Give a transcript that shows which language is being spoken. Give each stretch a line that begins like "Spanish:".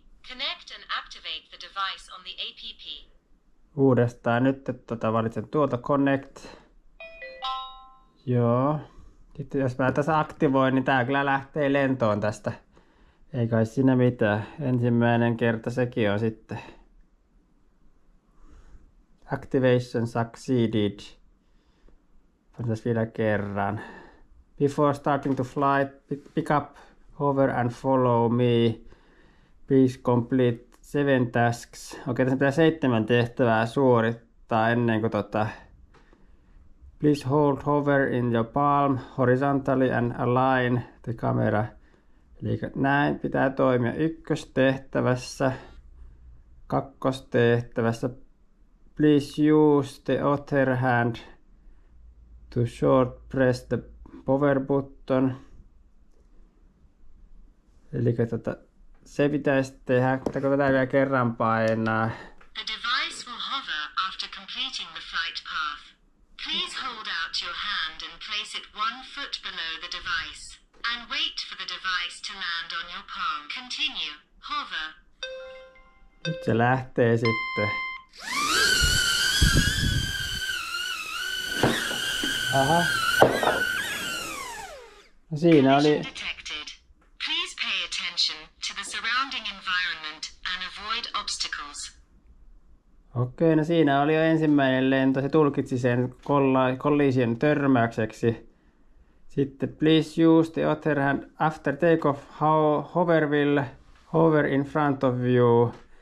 English: Connect and activate the device on the app.
Finnish: Uudestaan nyt valitsen tuolta connect. Joo. Sitten jos mä tässä aktivoin, niin tää kyllä lähtee lentoon tästä. Ei kai siinä mitään. Ensimmäinen kerta sekin on sitten.
English: Activation succeeded.
Finnish: Pannaan vielä kerran.
English: Before starting to fly, pick up, hover and follow me. Please complete 7 tasks.
Finnish: Okei, tässä pitää 7 tehtävää suorittaa ennen kuin
English: Please hold hover in your palm horizontally and align the camera.
Finnish: Eli näin pitää toimia ykköstehtävässä, kakkostehtävässä.
English: Please use the other hand to short press the power button.
Finnish: Eli se pitäisi tehdä, että kun tätä vielä kerran painaa.
English: The device will hover after completing the flight path. Please hold out your hand and place it 1 foot below the device. And wait for the device to land on your palm. Continue. Hover.
Finnish: Nyt se lähtee sitten. Aha. No siinä oli.
English: Detected. Please pay attention to the surrounding environment and avoid obstacles.
Finnish: Okei, no siinä oli jo ensimmäinen lento. Se tulkitsi sen kolliisien törmäykseksi. Sitten
English: please use the other hand after takeoff, hover will hover in front of you.